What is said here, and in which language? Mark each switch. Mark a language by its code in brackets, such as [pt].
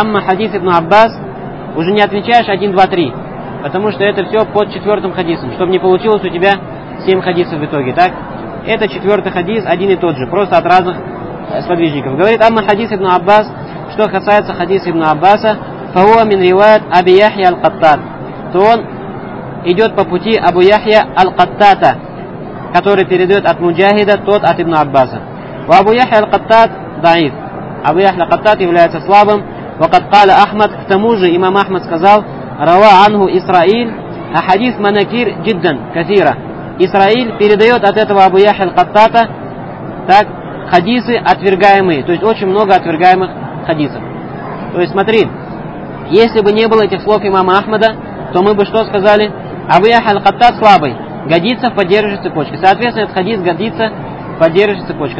[ru] Амма хадис Ибн Аббас. Уже не отвечаешь 1, 2, 3. Потому что это все под четвертым хадисом. Чтобы не получилось у тебя 7 хадисов в итоге. Так. Это четвертый хадис, один и тот же. Просто от разных сподвижников. Говорит Амма хадис Ибн Аббас. Что касается хадиса Ибн Аббаса. [ar] فهو من رواية أبي يحيى القطان. [ru] То он идет по пути Абу Яхья аль-Каттата, который передает от Муджахида, тот от Ибн Аббаса. و Абу Яхья аль-Каттат даиф. Абу Яхья аль-Каттат является слабым. [ar] وقد قال أحمد. [ru] К тому же имам Ахмад сказал: [ar] روَى عنه إسرائيل أحاديث مناكير جدا كثيرة. [ru] Исраиль передает от этого Абу Яхья аль-Каттата так хадисы отвергаемые, то есть очень много отвергаемых хадисов. То есть смотри. Если бы не было этих слов имама Ахмада, то мы бы что сказали? Абу Яхья аль-Каттат слабый, годится в поддерживающей цепочке. Соответственно, этот хадис годится в поддерживающей цепочке.